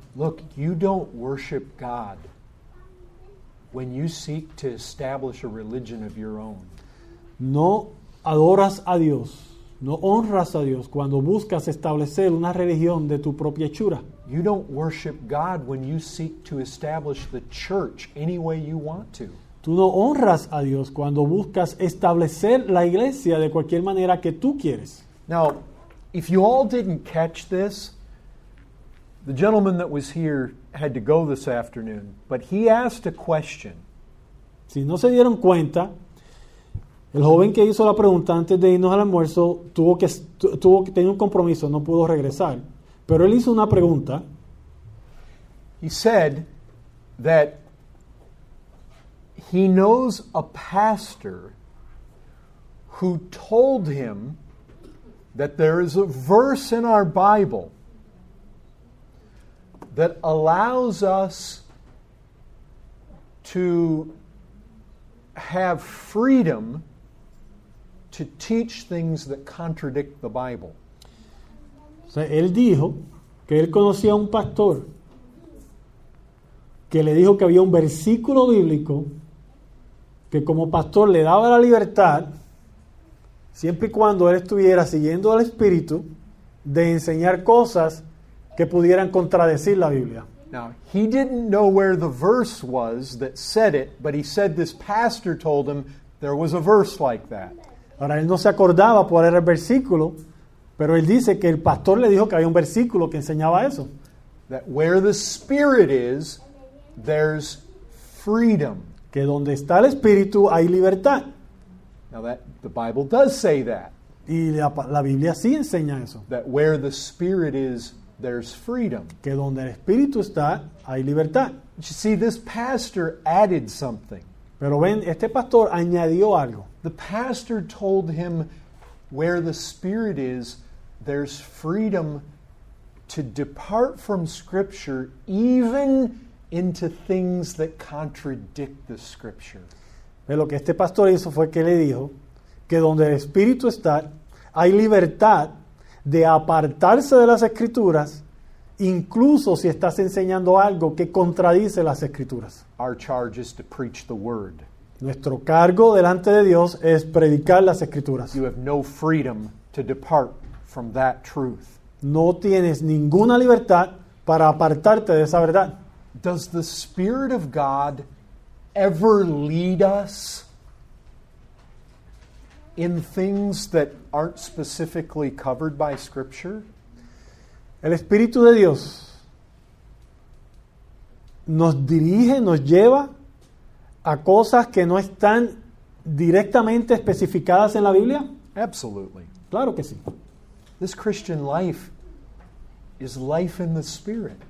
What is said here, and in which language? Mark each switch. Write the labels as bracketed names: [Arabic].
[English] Look, you don't worship God when you seek to establish a religion of your own. [Spanish] No adoras a Dios. No honras a Dios cuando buscas establecer una religión de tu propia hechura. [English] You don't worship God when you seek to establish the church any way you want to. [Spanish] Tú no honras a Dios cuando buscas establecer la iglesia de cualquier manera que tú quieres. [English] Now, if you all didn't catch this, the gentleman that was here had to go this afternoon, but he asked a question. [Spanish] Si no se dieron cuenta, el joven que hizo la pregunta antes de irnos al almuerzo tenía un compromiso, no pudo regresar. Pero él hizo una pregunta. [English] He said that he knows a pastor who told him that there is a verse in our Bible that allows us to have freedom to teach things that contradict the Bible. [Spanish] O sea, él dijo que él conocía a un pastor que le dijo que había un versículo bíblico que como pastor le daba la libertad siempre y cuando él estuviera siguiendo al Espíritu de enseñar cosas que pudieran contradecir la Biblia. [English] Now, he didn't know where the verse was that said it, but he said this pastor told him there was a verse like that. [Spanish] Ahora, él no se acordaba cuál era el versículo, pero él dice que el pastor le dijo que había un versículo que enseñaba eso. [English] That where the Spirit is, there's freedom. [Spanish] Que donde está el Espíritu, hay libertad. [English] Now, that, the Bible does say that. [Spanish] Y la Biblia sí enseña eso. [English] That where the Spirit is, there's freedom. [Spanish] Que donde el Espíritu está, hay libertad. [English] You see, this pastor added something. [Spanish] Pero ven, este pastor añadió algo. [English] The pastor told him, where the Spirit is, there's freedom to depart from Scripture, even into things that contradict the Scripture. [Spanish] Pero lo que este pastor hizo fue que le dijo que donde el Espíritu está, hay libertad de apartarse de las Escrituras, incluso si estás enseñando algo que contradice las Escrituras. [English] Our charge is to preach the Word. [Spanish] Nuestro cargo delante de Dios es predicar las Escrituras. [English] You have no freedom to depart from that truth. [Spanish] No tienes ninguna libertad para apartarte de esa verdad. [English] Does the Spirit of God ever lead us in things that aren't specifically covered by Scripture? [Spanish] El Espíritu de Dios nos dirige, nos lleva a cosas que no están directamente especificadas en la Biblia? [English] Absolutely. [Spanish] Claro que sí. [English] This Christian life is life in the Spirit.